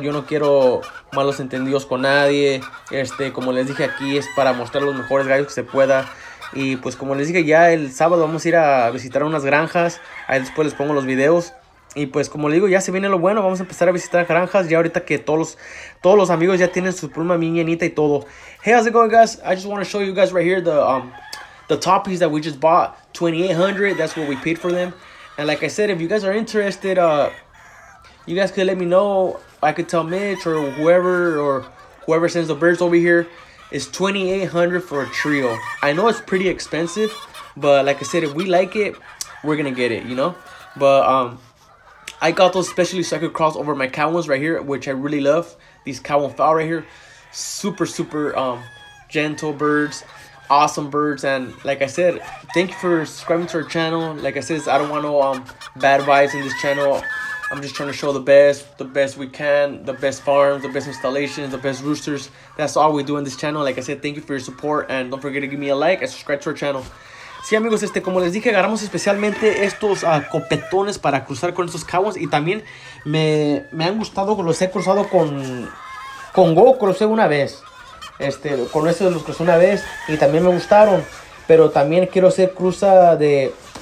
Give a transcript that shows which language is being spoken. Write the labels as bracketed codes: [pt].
[es] Yo no quiero malos entendidos con nadie. Este, como les dije, aquí es para mostrar los mejores gallos que se pueda. Y pues como les dije, ya el sábado vamos a ir a visitar unas granjas. Ahí después les pongo los videos. Y pues como le digo, ya se viene lo bueno, vamos a empezar a visitar granjas ya ahorita que todos los amigos ya tienen su pluma minienita y todo. [en] Hey, how's it going, guys? I just want to show you guys right here the toppies that we just bought. $2,800, that's what we paid for them. And like I said, if you guys are interested, you guys could let me know. I could tell Mitch or whoever sends the birds over here. It's $2,800 for a trio. I know it's pretty expensive, but like I said, if we like it, we're gonna get it, you know? But I got those specially so I could cross over my cow ones right here, which I really love. These cow and fowl right here. Super, super gentle birds. Awesome birds. And like I said, thank you for subscribing to our channel. Like I said, I don't want no bad vibes in this channel. I'm just trying to show the best we can. The best farms, the best installations, the best roosters. That's all we do in this channel. Like I said, thank you for your support. And don't forget to give me a like and subscribe to our channel. [es] Sí, amigos, este, como les dije, agarramos especialmente estos copetones para cruzar con estos cowans. Y también me han gustado, los he cruzado con Go, crucé una vez. Este, con estos los crucé una vez y también me gustaron. Pero también quiero hacer cruza de...